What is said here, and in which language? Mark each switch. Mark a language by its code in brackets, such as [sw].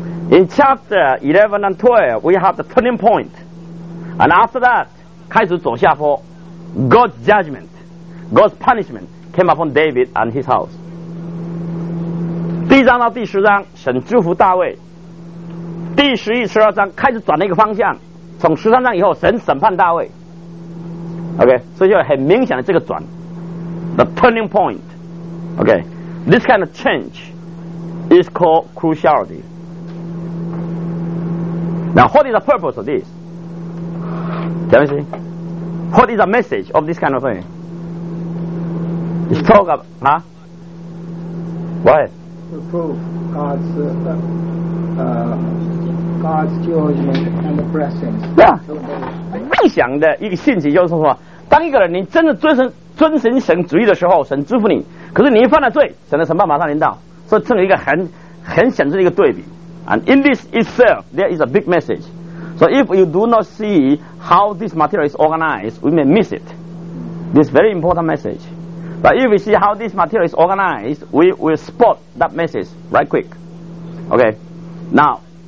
[en] In chapter 11 and 12 we have the turning point, and after that [zh] 开始走下坡。 [en] God's judgment, God's punishment came upon David and his house. [zh] 第一章到第十章神祝福大卫，第十一、十二章开始转了一个方向，从十三章以后神审判大卫。 OK， 所以就很明显的这个转 [en] The turning point。 OK， This kind of change is called cruciality. Now what is the purpose of this? Can you see? What is the message of this kind of thing? It's talk about huh? What? To prove God's judgment and the blessings. [zh] 对啊，理想的一个信息就是说，当一个人你真的遵循神旨意的时候，神祝福你。可是你一犯了罪，神的审判马上临到。所以这是一个很显著的一个对比。 [en] And in this itself, there is a big message. So if you do not see how this material is organized, we may miss it. This very important message. But if we see how this material is organized, we will spot that message right quick. Okay, now.